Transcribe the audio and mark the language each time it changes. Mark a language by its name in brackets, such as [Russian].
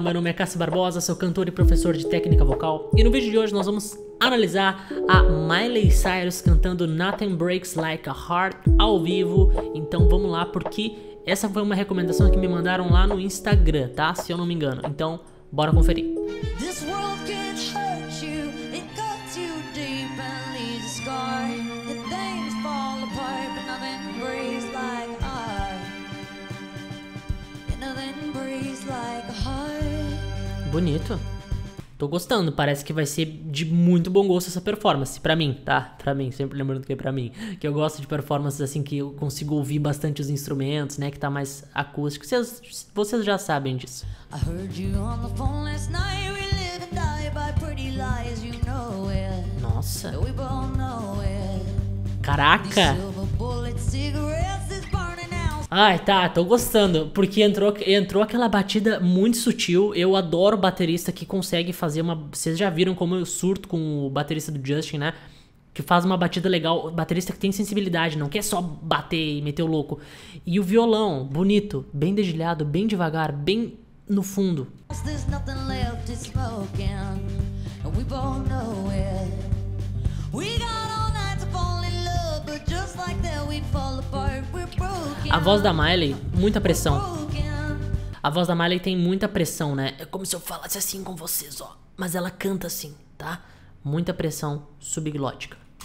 [Portuguese] Meu nome é Cássio Barbosa, sou cantor e professor de técnica vocal. E no vídeo de hoje nós vamos analisar a Miley Cyrus cantando Nothing Breaks Like a Heart ao vivo. Então vamos lá, porque essa foi uma recomendação que me mandaram lá no Instagram, tá? Se eu não me engano. Então, bora conferir. [English] This world can hurt you, it cuts you deep and leaves a scar. The things fall apart, but nothing breaks like a heart. Nothing breaks like a heart. [Portuguese] Bonito. Tô gostando, parece que vai ser de muito bom gosto essa performance, pra mim, tá? Pra mim, sempre lembrando que é pra mim. Que eu gosto de performances assim que eu consigo ouvir bastante os instrumentos, né? Que tá mais acústico. Vocês já sabem disso. [English] I heard you on the phone last night. We live and die by pretty lies, you know it. [Portuguese] Nossa. [English] We both know it. These [Portuguese] Caraca! [English] silver bullet cigarettes is burning out. [Portuguese] Ai, tá, tô gostando, porque entrou aquela batida muito sutil. Eu adoro baterista que consegue fazer uma. Vocês já viram como eu surto com o baterista do Justin, né? Que faz uma batida legal, baterista que tem sensibilidade, não quer só bater e meter o louco. E o violão, bonito, bem dedilhado, bem devagar, bem no fundo. [English] There's nothing left to smoke and we both know it. We got all night to fall in love, but just like that we fall apart. We're [Portuguese] A voz da Miley, muita pressão. [English] broken. [Portuguese] A voz da Miley tem muita pressão, né? É como se eu falasse assim com vocês, ó. Mas ela canta assim, tá? Muita pressão subglótica.